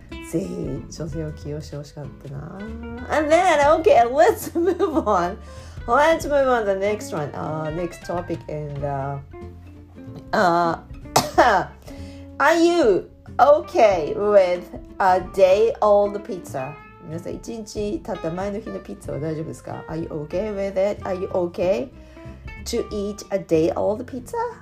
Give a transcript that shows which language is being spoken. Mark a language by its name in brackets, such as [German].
[Japanese] ぜひ女性を起用してほしかったな。 [English] And then, okay, let's move on the next one, next topic, and are you okay with a day old pizza? [Japanese] 皆さん、一日経った前の日のピッツァは大丈夫ですか？ [English] Are you okay with it? Are you okay to eat a day old pizza?